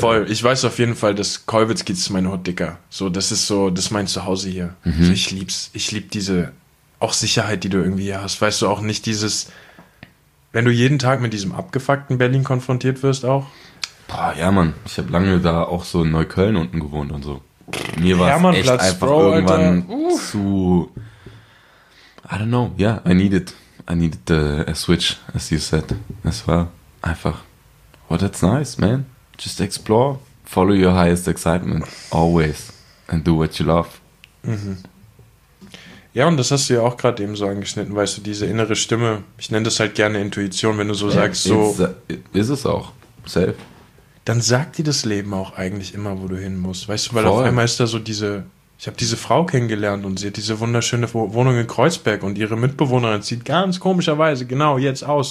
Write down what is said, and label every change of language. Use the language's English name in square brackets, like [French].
[German] Voll, ich weiß auf jeden Fall, dass Kolwitzki ist mein Hut, Dicker. So, das ist so, das ist mein Zuhause hier. Mhm. Also ich lieb diese auch Sicherheit, die du irgendwie hier hast. Weißt du, auch nicht dieses, wenn du jeden Tag mit diesem abgefuckten Berlin konfrontiert wirst auch. Boah, ja, Mann, ich habe lange da auch so in Neukölln unten gewohnt und so. Mir war es echt einfach, Bro, irgendwann zu, [English] I don't know, yeah, I needed a switch, as you said. [German] Es war einfach, [English] oh, that's nice, man. Just explore, follow your highest excitement, always, and do what you love. Mhm. [German] Ja, und das hast du ja auch gerade eben so angeschnitten, weißt du, diese innere Stimme, ich nenne das halt gerne Intuition, wenn du so sagst, so... Ist es auch, safe. Dann sagt dir das Leben auch eigentlich immer, wo du hin musst, weißt du, weil auf einmal ist da so diese, Ich habe diese Frau kennengelernt und sie hat diese wunderschöne Wohnung in Kreuzberg und ihre Mitbewohnerin zieht ganz komischerweise genau jetzt aus.